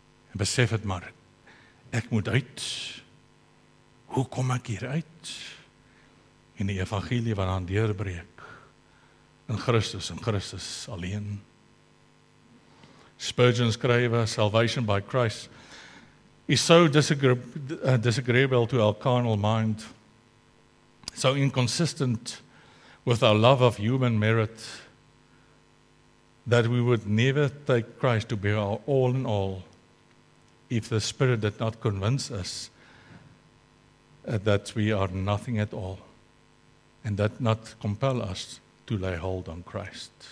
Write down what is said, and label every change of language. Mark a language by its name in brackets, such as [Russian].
[Afrikaans] En besef het maar, ek moet uit. Hoe kom ek hier uit? En die evangelie wat aan deurbreek. In Christus alleen. [English] Spurgeon skrywer, Salvation by Christ, is so disagreeable to our carnal mind, so inconsistent with our love of human merit, that we would never take Christ to be our all in all, if the Spirit did not convince us that we are nothing at all, and that not compel us to lay hold on Christ.